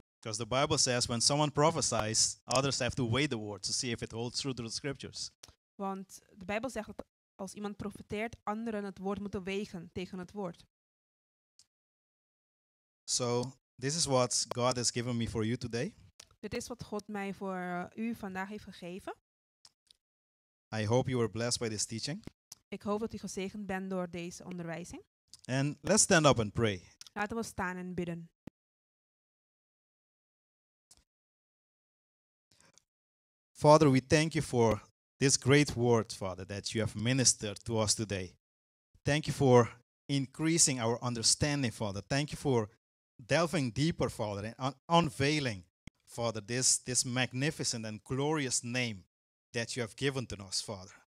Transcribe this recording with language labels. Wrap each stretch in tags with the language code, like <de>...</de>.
<en>Because the Bible says when someone prophesies, others have to weigh the word to see if it holds true to the scriptures.</en> <nl>Want de Bijbel zegt dat als iemand profeteert, anderen het woord moeten wegen tegen het woord.</nl> <en>So, this is what God has given me for you today.</en> <nl>Dit is wat God mij voor u vandaag heeft gegeven.</nl> <en>I hope you were blessed by this teaching.</en> <nl>Ik hoop dat u gezegend bent door deze onderwijzing.</nl> <en>And let's stand up and pray.</en> <nl>Laten we staan en bidden.</nl> <en>Father, we thank you for this great word, Father, that you have ministered to us today. Thank you for increasing our understanding, Father. Thank you for delving deeper, Father, and unveiling, Father, this magnificent and glorious name that you have given to us, Father.</en>